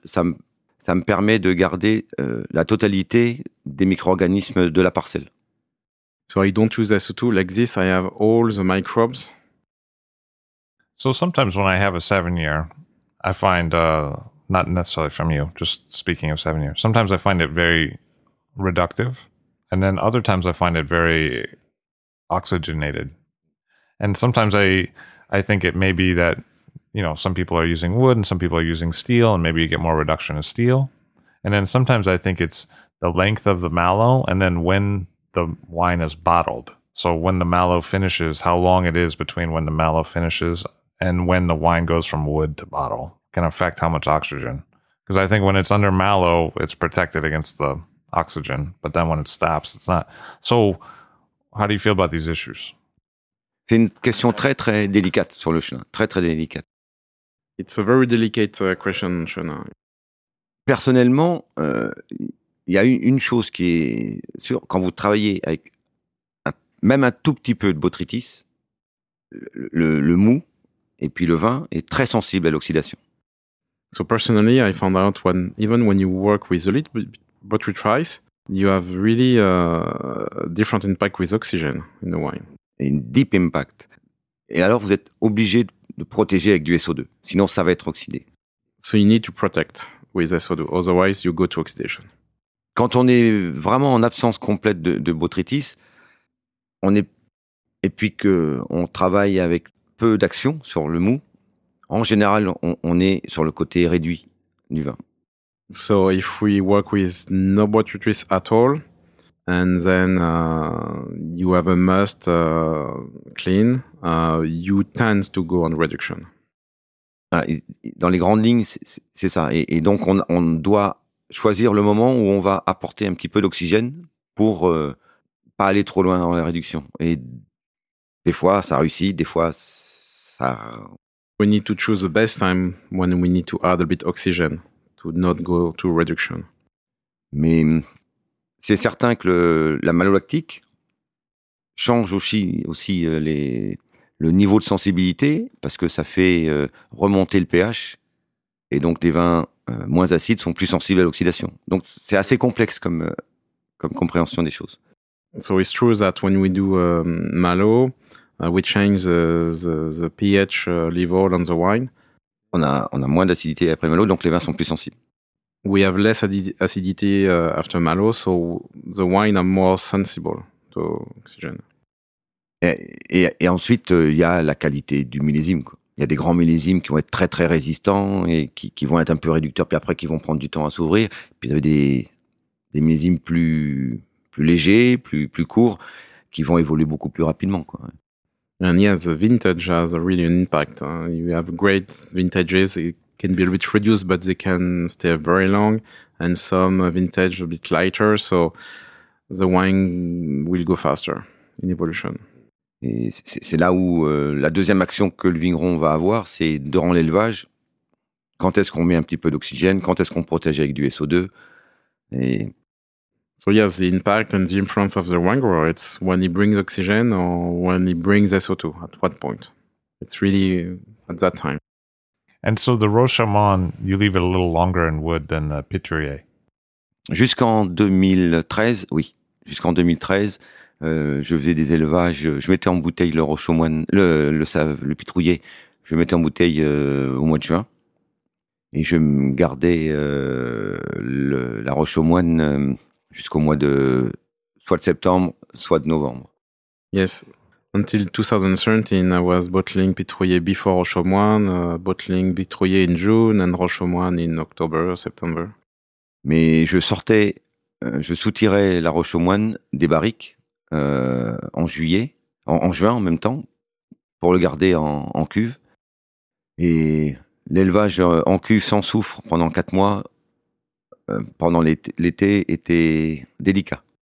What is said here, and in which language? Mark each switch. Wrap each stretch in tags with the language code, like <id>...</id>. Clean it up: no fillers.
<fr>Ça me permet de garder la totalité des micro-organismes de la parcelle.</fr> <en>So I don't use SO2 like this. I have all the microbes. So sometimes when I have a 7-year, I find, not necessarily from you, just speaking of 7-year, sometimes I find it very reductive, and then other times I find it very oxygenated. And sometimes I think it may be that, you know, some people are using wood and some people are using steel, and maybe you get more reduction of steel. And then sometimes I think it's the length of the mallow and then when the wine is bottled. So when the mallow finishes, how long it is between when the mallow finishes and when the wine goes from wood to bottle can affect how much oxygen. Because I think when it's under mallow, it's protected against the oxygen. But then when it stops, it's not. So how do you feel about these issues?</en> <fr>C'est une question très, très délicate sur le chenin. Très, très délicate.</fr> <en>It's a very delicate question, chenin.</en> <fr>Personnellement, il y a une chose qui est sûre. Quand vous travaillez avec même un tout petit peu de botrytis, le mou et puis le vin est très sensible à l'oxydation.</fr> <en>So personally, I found out when you work with a little botrytis, you have really a different impact with oxygen in the wine. Une deep impact.</en> <fr>Et alors, vous êtes obligé de protéger avec du SO2. Sinon, ça va être oxydé.</fr> <en>So you need to protect with SO2. Otherwise, you go to oxidation.</en> <fr>Quand on est vraiment en absence complète de botrytis, et puis qu'on travaille avec peu d'action sur le mou, en général, on est sur le côté réduit du vin.</fr> <en>So if we work with no botrytis at all, and then you have a must clean, you tend to go on reduction.</en> <fr>Dans les grandes lignes, c'est ça. Et donc, on doit choisir le moment où on va apporter un petit peu d'oxygène pour pas aller trop loin dans la réduction. Et des fois, ça réussit, des fois, ça...</fr> <en>We need to choose the best time when we need to add a bit oxygen to not go to reduction.</en> <fr>Mais... C'est certain que la malolactique change aussi le niveau de sensibilité parce que ça fait remonter le pH et donc des vins moins acides sont plus sensibles à l'oxydation. Donc c'est assez complexe comme compréhension des choses.</fr> <en>So it's true that when we do malo, we change the pH level on the wine.</en> <fr>On a moins d'acidité après malo, donc les vins sont plus sensibles.</fr> <en>We have less acidity after malo, so the wine are more sensible to oxygen.</en> <fr>Et ensuite, il y a la qualité du millésime. Il y a des grands millésimes qui vont être très, très résistants et qui vont être un peu réducteurs, puis après qui vont prendre du temps à s'ouvrir. Puis il y a des millésimes plus légers, plus courts, qui vont évoluer beaucoup plus rapidement.</fr> <en>And yes, the vintage has really an impact. You have great vintages. Can be a bit reduced, but they can stay very long, and some vintage a bit lighter, so the wine will go faster in evolution.</en> <fr>Et c'est là où la deuxième action que le vigneron va avoir, c'est durant l'élevage, quand est-ce qu'on met un petit peu d'oxygène, quand est-ce qu'on protège avec du SO2, et...</fr> <en>So yes, the impact and the influence of the wine grower, it's when he brings oxygen or when he brings SO2, at what point? It's really at that time. And so the Rochamont, you leave it a little longer in wood than the Pitrier.</en> <fr>Jusqu'en 2013, oui. Jusqu'en 2013, je faisais des élevages. Je mettais en bouteille le Rochamont, le Pitrouillet, Je mettais en bouteille au mois de juin. Et je gardais la Roche aux Moines jusqu'au mois de soit de septembre, soit de novembre.</fr> <en>Yes. Until 2013, I was bottling Pitrouillet before Roche aux Moines, bottling Pitrouillet in June and Roche aux Moines in October, September.</en> <fr>Mais je sortais, je soutirais la Roche aux Moines des barriques en juin en même temps, pour le garder en cuve. Et l'élevage en cuve sans soufre pendant 4 mois, pendant l'été, était délicat.</fr>